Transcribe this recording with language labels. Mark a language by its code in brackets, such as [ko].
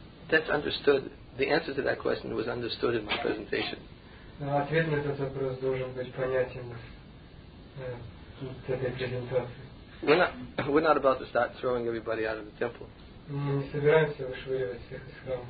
[en] That's understood. The answer to that question was understood in my presentation. [ru] ответ на этот вопрос должен быть понятен с этой презентации. [en] We're not about to start throwing everybody out of the temple. [ru] Мы не собираемся вышвыривать всех из храма.